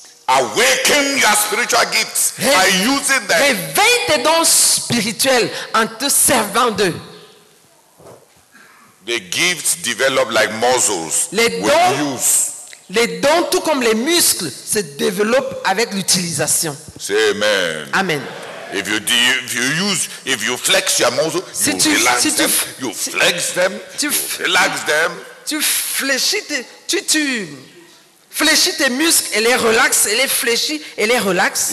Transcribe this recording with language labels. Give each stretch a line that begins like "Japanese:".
English: Awaken your spiritual gifts by using them.
French: Réveille tes dons spirituels en te servant d'eux.
English: The gifts develop like muscles.
French: Les dons,
English: with use.
French: Les dons, tout comme les muscles, se développent avec l'utilisation.
English: Say amen. Amen. If you flex your muscles, you relax them.
French: Tu fléchis, tu Fléchis tes muscles et les relaxe, et les fléchis et les relaxe.